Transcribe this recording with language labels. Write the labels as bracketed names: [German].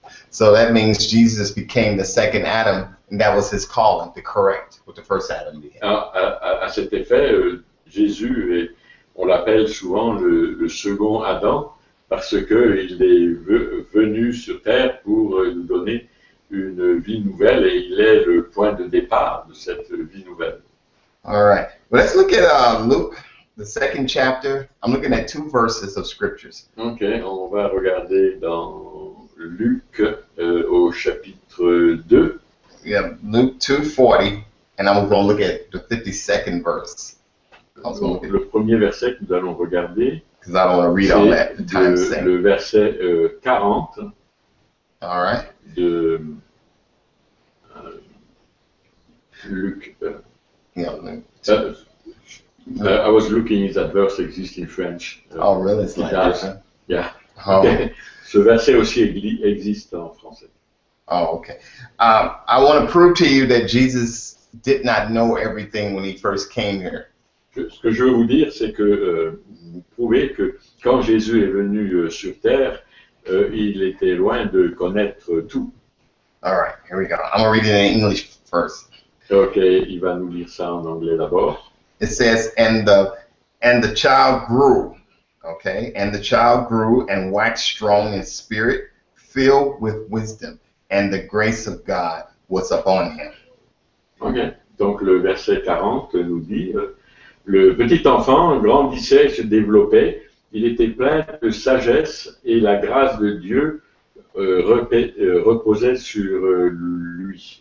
[English] So that means Jesus became the second Adam, and that was his calling to correct what the first Adam did. [French] À cet effet, Jésus, est, on l'appelle souvent le second Adam, parce qu'il est venu sur terre pour nous donner une vie nouvelle, et il est le point de départ de cette vie nouvelle. [English] All right. Well, let's look at Luke, the second chapter. I'm looking at two verses of scriptures. [French] Okay, on va regarder dans Luc au chapitre 2. [English] Yeah, Luke 2:40, and I'm going to look at the 52nd verse. [French] Le premier verset que nous allons regarder, [English] because I don't want to read all that, the time is saying. [French] Le verset 40. [English] All right. [French] De Luc. [English] I was looking if that verse exists in French. Oh, really? It's like that. [French] Yeah. Oh. Okay. Ce verset aussi existe en français. [English] Oh, okay. I want to prove to you that Jesus did not know everything when he first came here. [French] Ce que je veux vous dire, c'est que vous prouvez que quand Jésus est venu sur terre, il était loin de connaître tout. [English] All right, here we go. I'm going to read it in English first. [French] Okay, il va nous lire ça en anglais d'abord. [English] It says, and the child grew. Okay, and the child grew and waxed strong in spirit, filled with wisdom, and the grace of God was upon him. [French] Okay, donc le verset 40 nous dit, le petit enfant grandissait et se développait, il était plein de sagesse et la grâce de Dieu reposait sur lui.